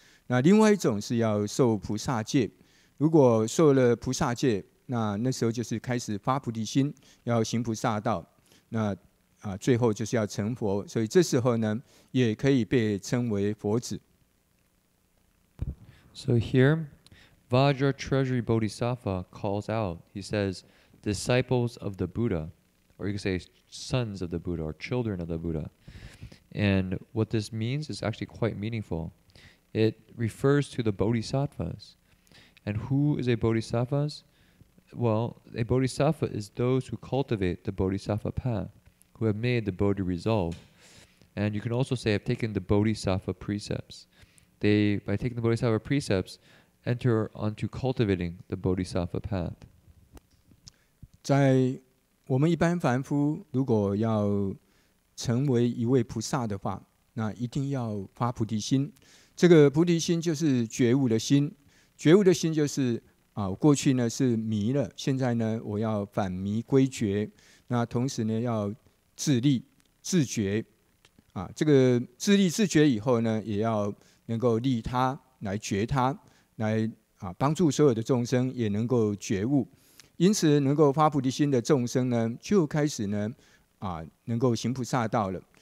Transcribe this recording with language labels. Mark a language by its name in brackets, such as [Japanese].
[Chinese] 那另外一种是要受菩萨戒，如果受了菩萨戒，那时候就是开始发菩提心，要行菩萨道，那最后就是要成佛，所以这时候呢也可以被称为佛子。 [English] So here, Vajra Treasury Bodhisattva calls out, he says, disciples of the Buddha, or you could say sons of the Buddha or children of the Buddha. And what this means is actually quite meaningful. It refers to the bodhisattvas. And who is a bodhisattva? Well, a bodhisattva is those who cultivate the bodhisattva path, who have made the Bodhi resolve. And you can also say have taken the bodhisattva precepts. They, by taking the Bodhisattva precepts, enter onto cultivating the Bodhisattva path. [Chinese] 在我们一般凡夫如果要成为一位菩萨的话，那一定要发菩提心。这个菩提心就是觉悟的心，觉悟的心就是过去呢是迷了，现在呢我要反迷归觉，那同时呢要自立自觉，这个自立自觉以后呢也要能够利他来觉他，来帮助所有的众生也能够觉悟，因此能够发菩提心的众生呢就开始呢能够行菩萨道了。